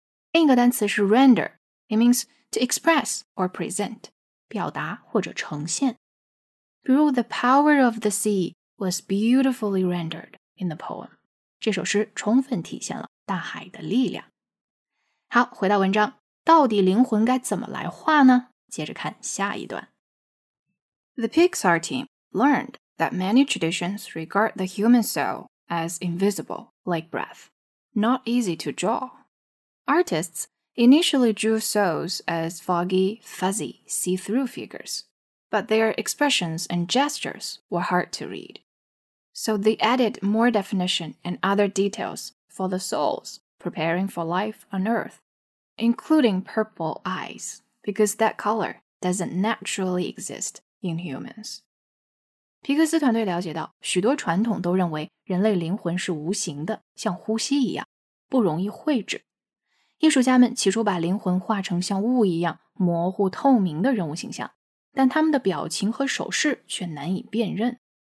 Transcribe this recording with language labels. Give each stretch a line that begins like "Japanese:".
Chinese: 另一个单词是 render，
English: it means to express or present，
Chinese: 表达或者呈现。
English: 比如 the power of the sea was beautifully rendered in the poem，
Chinese: 这首诗充分体现了大海的力量。好，回到文章，到底灵魂该怎么来画呢？接着看下一段。
English: The Pixar team learned that many traditions regard the human soul as invisible, like breath, not easy to draw. Artists initially drew souls as foggy, fuzzy, see-through figures, but their expressions and gestures were hard to read. So they added more definition and other details for the souls preparing for life on Earth. Including purple eyes, because that color doesn't naturally exist in humans.
Chinese: 皮克斯团队了解到，许多传统都认为人类灵魂是无形的，像呼吸一样，不容易绘制。艺术家们起初把灵魂画成像雾一样模糊透明的人物形象，但他们的表情和手势却难以辨认。